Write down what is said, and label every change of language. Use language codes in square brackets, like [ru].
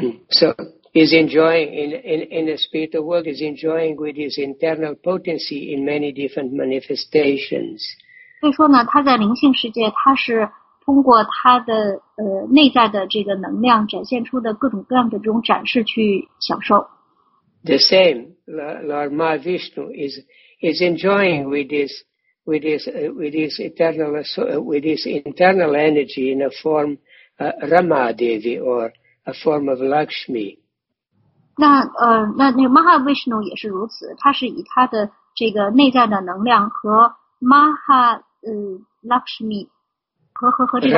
[en] So he's enjoying in the spiritual world, he's enjoying with his internal potency in many different manifestations. [zh] 所以说呢，他在灵性世界，他是通过他的内在的这个能量展现出的各种各样的这种展示去享受。 [en] The same, Lord Mahavishnu is enjoying with his internal energy in a form Rama Devi or a form of Lakshmi. [zh] 那 Mahavishnu 也是如此，他是以他的这个内在的能量和 Maha Lakshmi 和这个